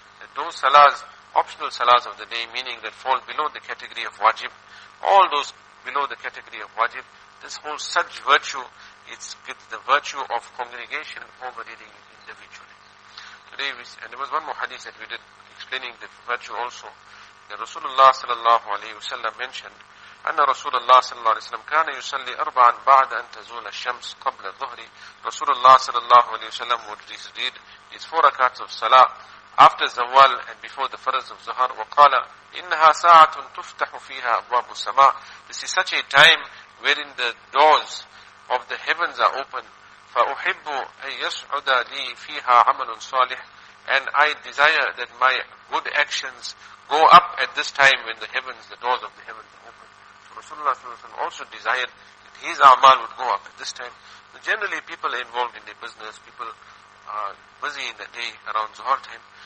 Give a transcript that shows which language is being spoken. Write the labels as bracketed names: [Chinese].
[English] That those salahs, optional salahs of the day, meaning that fall below the category of wajib, all those below the category of wajib, this whole such virtue, it's the virtue of congregation over reading it individually. Today, and there was one more hadith that we did explaining the virtue also. The Rasulullah ﷺ mentioned, [Arabic] أن رسول الله صلى الله عليه وسلم كان يصلي أربعا بعد أن تزول الشمس قبل الظهر. رسول الله صلى الله عليه وسلم [English] would read his four rakats of salah after zawal and before the faraz of zuhar. [Arabic] وقال إنها ساعة تفتح فيها أبواب السماء. [English] This is such a time wherein the doors of the heavens are open. [Arabic] فأحب أن يسعد لي فيها عمل صالح. [English] And I desire that my good actions go up at this time when the heavens, the doors of the heavens, Rasulullah also desired that his amal would go up at this time. So generally, people are involved in their business, people are busy in the day around Zuhar time.